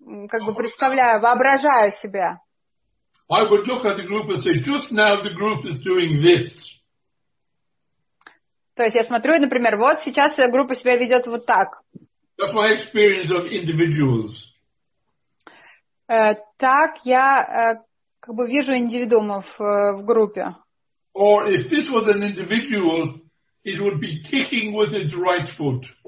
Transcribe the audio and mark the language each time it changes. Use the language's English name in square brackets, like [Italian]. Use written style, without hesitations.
[Russian] Как бы представляю, воображаю себя. [English] I would look at the group and say, just now the group is doing this. [Russian] То есть я смотрю, например, вот сейчас группа себя ведет вот так. [English] That's my experience of individuals. [Russian] Так я как бы вижу индивидуумов в группе. [English] Or if this was an individual, it would be kicking with its right foot.